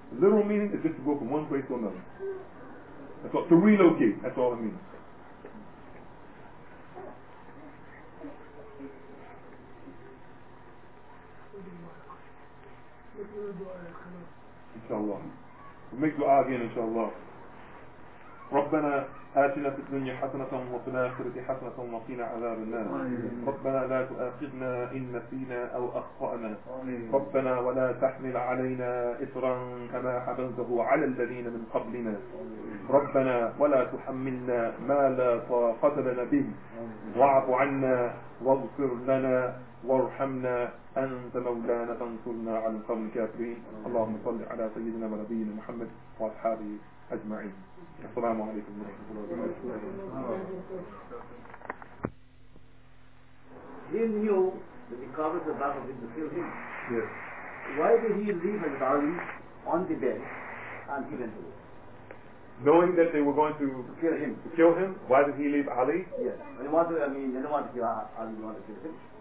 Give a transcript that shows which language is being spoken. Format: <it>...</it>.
<en>The literal meaning is just to go from one place to another. That's all, to relocate, that's all it means. Inshallah. We'll make dua again, inshallah.</en> <ar>ربنا آتنا في الدنيا حسنة وفي الآخرة حسنة وقنا عذاب النار ربنا لا تؤاخذنا إن نسينا أو أخطأنا ربنا ولا تحمل علينا إصرا كما حملته على الذين من قبلنا ربنا ولا تحملنا ما لا طاقة لنا به واعف عنا واغفر لنا وارحمنا أنت مولانا فانصرنا على القوم الكافرين اللهم صل على سيدنا ونبينا محمد وأصحابه أجمعين السلام عليكم ورحمة الله وبركاته.</ar> <en>He knew that the covers of battle did not kill him. Yes. Why did he leave his army on the bed and he went away? Knowing that they were going to kill him. Kill him? Why did he leave Ali? Yes. They don't want to kill Ali, they want to kill him.</en>